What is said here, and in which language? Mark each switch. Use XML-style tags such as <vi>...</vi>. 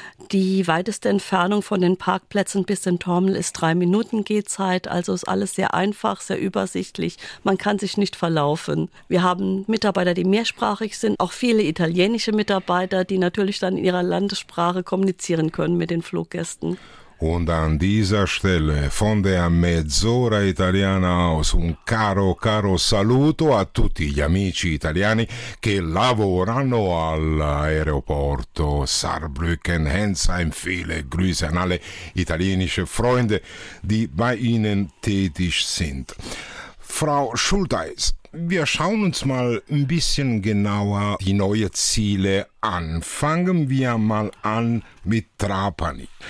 <de>Die weiteste Entfernung von den Parkplätzen bis zum Terminal ist 3 Minuten Gehzeit. Also ist alles sehr einfach, sehr übersichtlich. Man kann sich nicht verlaufen. Wir haben Mitarbeiter, die mehrsprachig sind. Auch viele italienische Mitarbeiter, die natürlich dann in ihrer Landessprache kommunizieren können mit den Fluggästen. Und an dieser Stelle von der Mezz'ora Italiana aus</de> <it>un caro, caro saluto a tutti gli amici italiani che lavorano all'aeroporto Saarbrücken-Ensheim.</it> <de>Viele Grüße an alle italienische Freunde, die bei Ihnen tätig sind. Frau Schulteis, wir schauen uns mal ein bisschen genauer die neuen Ziele an. Fangen wir mal an mit Trapani.</de>